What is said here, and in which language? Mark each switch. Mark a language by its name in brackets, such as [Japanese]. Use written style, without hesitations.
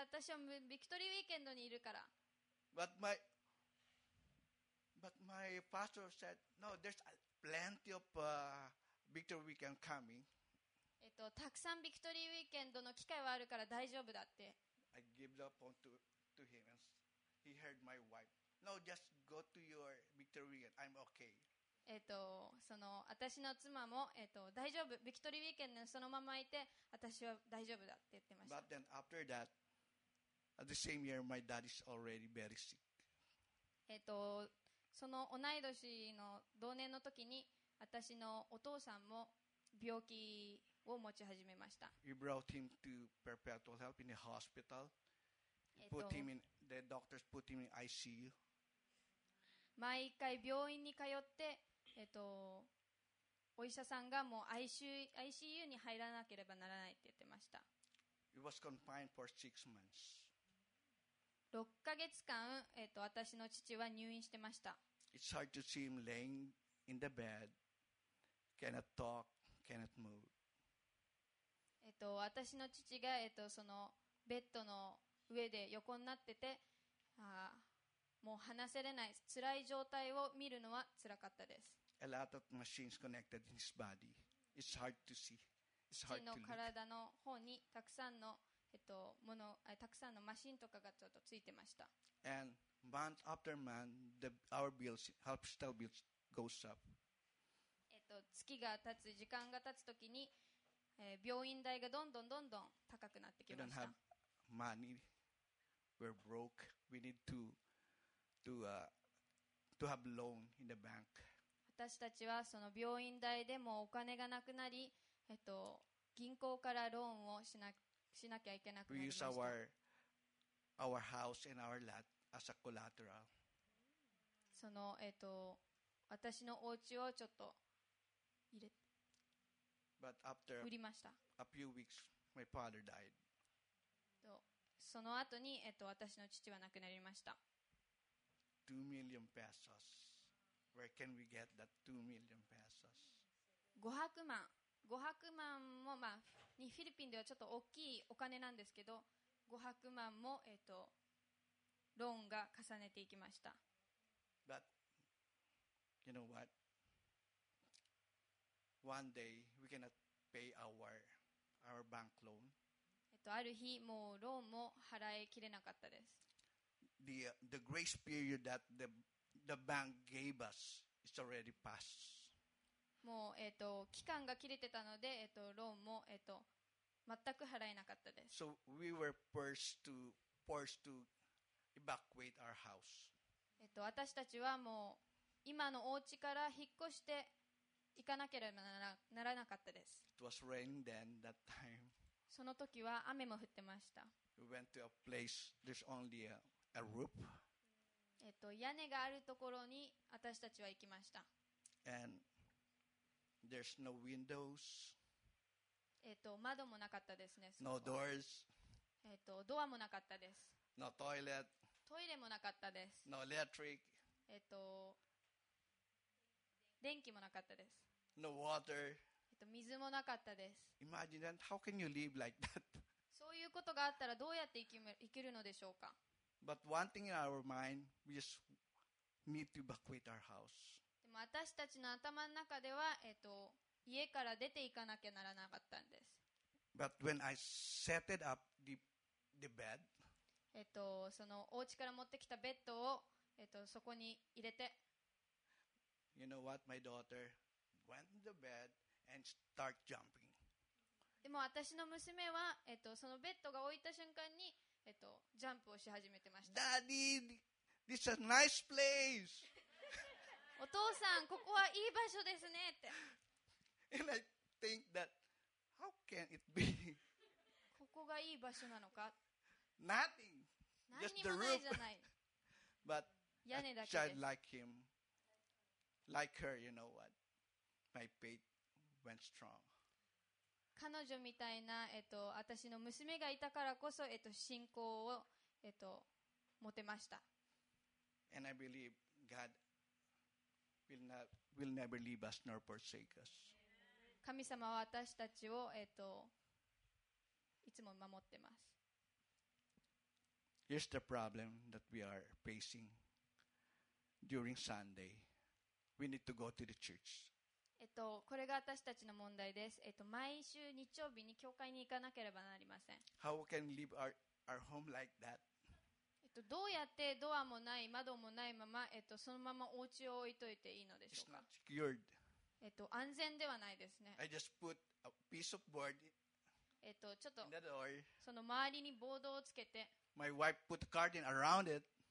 [Japanese] 私はビクトリーウィーケンドにいるから。 [English] But my pastor said, no, there's plenty of victory weekend coming. [Japanese] たくさんビクトリーウィーケンドの機会はあるから大丈夫だって。 [English] I gave the phone to him and he heard my wife. No, just go to your victory weekend. I'm okay. [Japanese] その私の妻も、大丈夫、ビクトリーウィーケンドそのままいて私は大丈夫だって言ってました。 [English] But then after that, at the same year, my dad is already very sick. [Japanese] その同い年の同年の時に私のお父さんも病気を持ち始めました。 [English] You brought him to perpetual help in the hospital. The doctors put him in ICU. [Japanese] 毎回病院に通ってお医者さんがもう ICU に入らなければならないって言ってました。 [English] He was confined for 6 months. [Japanese] 6ヶ月間、私の父は入院してました。 [English] It's hard to see him laying in the bed, cannot talk, cannot move. [Japanese] 私の父が、そのベッドの上で横になってて、もう話せれない辛い状態を見るのは辛かったです。 [English] A lot of machines connected in his body. It's hard to see. It's hard to look. [Japanese] 父の体の方にたくさんの、たくさんのマシンとかがちょっとついてました。 [English] And month after month, our bills, hospital bills, goes up. [Japanese] 月が経つ、時間が経つときに、病院代がどんどんどんどん高くなってきました。 [English] We don't have money. We're broke. We need to have loan in the bank. [Japanese] 私たちはその病院代でもお金がなくなり、銀行からローンをしなきゃいけなくなりました。 [English] We use our house and our lot as a collateral. [Japanese] その、私のお家をちょっと [English] But after [Japanese] 売りました。 [English] A few weeks, my father died. [Japanese] その後に、私の父は亡くなりました。 [English] 2 million pesos. Where can we get that 2 million pesos? [Japanese] 500万も、フィリピンではちょっと大きいお金なんですけど、500万も、ローンが重ねていきました。 [English] But you know what? One day we cannot pay our bank loan. [Japanese] ある日もうローンも払いきれなかったです。 [English] The grace period that the bank gave us is already passed. [Japanese] もう期間が切れてたのでローンも全く払えなかったです。 [English] So we were forced to evacuate our house. [Japanese] 私たちはもう今のお家から引っ越して行かなければならなかったです。 [English] It was raining then that time. [Japanese] その時は雨も降ってました。 [English] We went to a place there's only a roof. [Japanese] 屋根があるところに私たちは行きました。 [English] And there's no windows. [Japanese] 窓もなかったですね。 [English] No doors. [Japanese] ドアもなかったです。 [English] No toilet. [Japanese] トイレもなかったです。 [English] No electric. [Japanese] 電気もなかったです。 [English] No water. [Japanese] 水もなかったです。 [English] Imagine that. How can you live like that? [Japanese] そういうことがあったらどうやって生きるのでしょうか。 [English] But one thing in our mind, we just need to evacuate our house. [Japanese] でも私たちの頭の中では、家から出ていかなきゃならなかったんです。 [English] But when I set it up the bed, [Japanese] そのお家から持ってきたベッドを、そこに入れて、 [English] You know what? My daughter went to the bed and start jumping. [Japanese] でも私の娘は、そのベッドが置いた瞬間に、ジャンプをし始めてました。 [English] Daddy, this is a nice place. [Japanese] お父さん、ここはいい場所ですねって。 [English] And I think that how can it be? [Japanese] ここがいい場所なのか。 [English] Nothing. Just the roof. [Japanese] じゃない。 [English] But [Japanese] 屋根だけです。 [English] I just like him, like her. You know what? My faith went strong. [Japanese] 彼女みたいな私の娘がいたからこそ信仰を持てました。 [English] And I believe God will never leave us nor forsake us. [Japanese] 神様は私たちをいつも守ってます。 [English] Here's the problem that we are facing during Sunday. We need to go to the church. [Japanese] これが私たちの問題です。毎週日曜日に教会に行かなければなりません。 [English] How can we leave our home like that? [Japanese] どうやってドアもない窓もないままそのままお家を置いといていいのでしょうか。 [English] It's not secured. [Japanese] 安全ではないですね。 [English] I just put a piece of board. [Japanese] ちょっとその周りにボードをつけて。 [English] My wife put a curtain around it.